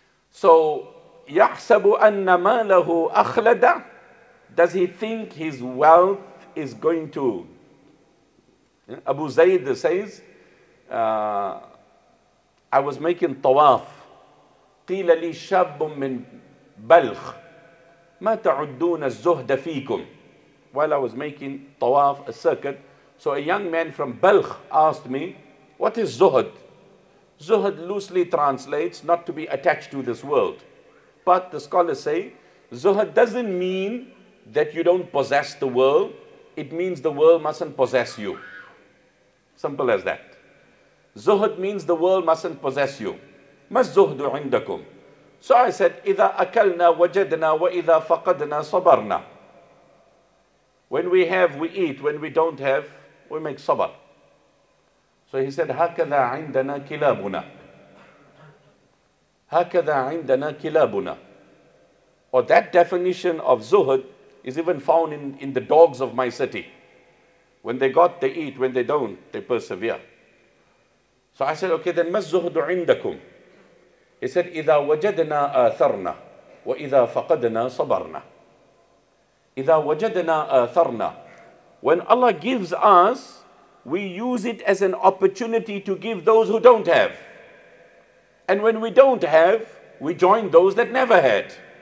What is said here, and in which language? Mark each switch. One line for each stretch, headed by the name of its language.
Arabic: So, يَحْسَبُ أَنَّ مَالَهُ أَخْلَدَ.
English: Does he think his wealth is going to... Abu Zayd says, I was making tawaf.
Arabic: قِيلَ لِي شَابٌ مِّن بَلْخ مَا تَعُدُّونَ الزُّهْدَ فِيكُمْ.
English: While I was making tawaf, a circuit, so a young man from Balkh asked me, what is Zuhud? Zuhud loosely translates not to be attached to this world. But the scholars say, Zuhud doesn't mean that you don't possess the world. It means the world mustn't possess you. Simple as that. Zuhud means the world mustn't possess you.
Arabic: مَا الزُّهْدُ عِنْدَكُمْ.
English: So I said,
Arabic: إِذَا أَكَلْنَا وَجَدْنَا وَإِذَا فَقَدْنَا صَبَرْنَا.
English: When we have, we eat. When we don't have, we make sabr. So he said,
Arabic: هَكَذَا عِنْدَنَا كِلَابُنَا. هَكَذَا عِنْدَنَا كِلَابُنَا.
English: Or that definition of zuhud is even found in the dogs of my city. When they got, they eat. When they don't, they persevere. So I said, okay, then
Arabic: مَا الزُّهْدُ عِنْدَكُمْ.
English: He said,
Arabic: إِذَا وَجَدْنَا آثَرْنَا وَإِذَا فَقَدْنَا صَبَرْنَا. إِذَا وَجَدْنَا آثَرْنَا.
English: When Allah gives us, we use it as an opportunity to give those who don't have. And when we don't have, we join those that never had.